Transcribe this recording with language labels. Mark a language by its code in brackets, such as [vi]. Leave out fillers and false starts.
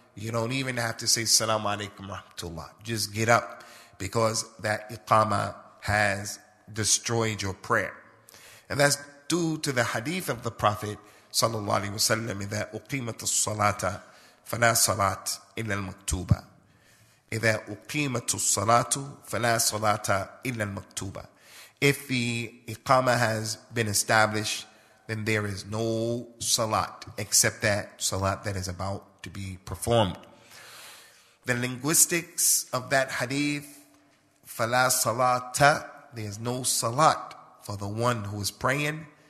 [en] You don't even have to say, salamu alaykum rahmatullah. Just get up. Because that iqamah has destroyed your prayer. And that's due to the hadith of the Prophet, sallallahu alayhi wa sallam, [ar] إذا أقيمت الصلاة فلا صلاة إلا المكتوبة. إذا أقيمت الصلاة فلا صلاة إلا المكتوبة. [en] If the Iqama has been established, then there is no salat except that salat that is about to be performed. The linguistics of that hadith, [ar] فَلَا صَلَاتَ, [en] there's no salat for the one who is praying.